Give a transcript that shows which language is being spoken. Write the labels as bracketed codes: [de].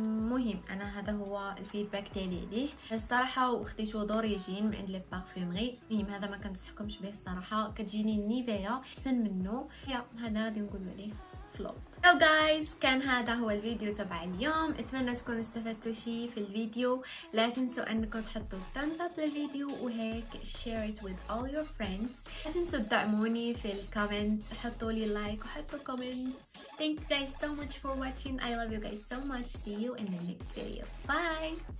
[ar] مهم انا هذا هو الفيدباك ديالي عليه الصراحة. وخديتو دوريجين من عند لي بارفيمري. المهم هذا ما كنصحكمش به الصراحة، كتجيني نيفيا احسن منه. يا هذا غادي نقولوا عليه فلوب. [en] Hello guys، [ar] كان هذا هو الفيديو تبع اليوم. اتمنى تكونوا استفدتوا شي في الفيديو. لا تنسوا انكم تحطوا [en] thumbs up [ar] للفيديو وهيك [en] share it with all your friends. [ar] لا تنسوا تدعموني في الكومنت، حطوا لي لايك وحطوا كومنت. [en] Thank you guys so much for watching. I love you guys so much. See you in the next video. Bye.